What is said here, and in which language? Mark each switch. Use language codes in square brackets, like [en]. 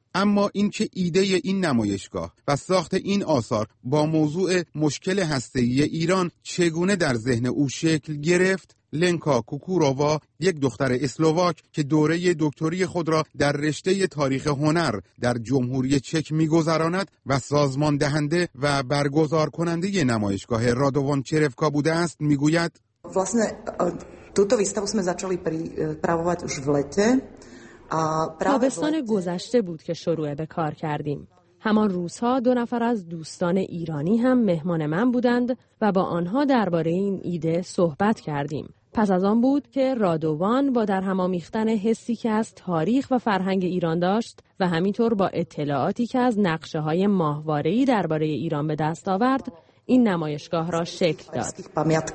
[fa] اما اینکه ایده این نمایشگاه و ساخت این آثار با موضوع مشکل هسته‌ای ایران چگونه در ذهن او شکل گرفت، لنکا کوکوروا، یک دختر اسلوواک که دوره دکتری خود را در رشته تاریخ هنر در جمهوری چک می‌گذراند و سازمان دهنده و برگزار کننده نمایشگاه رادوان چرفکا بوده است، می‌گوید: [cs] «Vlastně tuto výstavu jsme začali připravovat už v létě a právě [fa] تابستان گذشته بود که شروع به کار کردیم. همان روزها دو نفر از دوستان ایرانی هم مهمان من بودند و با آنها درباره این ایده صحبت کردیم. پس از آن بود که رادوان با در هم آمیختن حسی که از تاریخ و فرهنگ ایران داشت و همینطور با اطلاعاتی که از نقشه های ماهواره‌ای درباره ایران به دست آورد، این نمایشگاه را شکل داد.